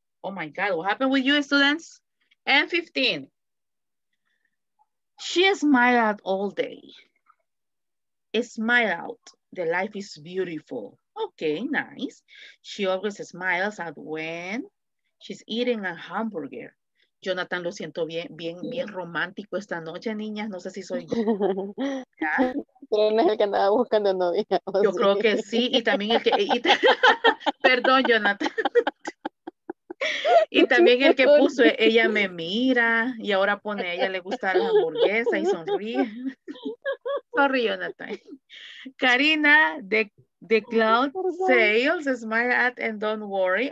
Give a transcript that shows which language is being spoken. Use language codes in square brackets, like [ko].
[en] Oh my God, what happened with you, students? And 15. She smiled out all day. Smile out. The life is beautiful. Okay, nice. She always smiles out when she's eating a hamburger. [es] Jonathan, lo siento bien romántico esta noche, niñas. No sé si soy yo. Pero no es el que andaba buscando novia. Yo creo que sí, y también el que... perdón, Jonathan. Y también el que puso, ella me mira, y ahora pone, ella le gusta la hamburguesa y sonríe. [en] Sorry, Jonathan. Karina, de Cloud Sales, smile at and don't worry.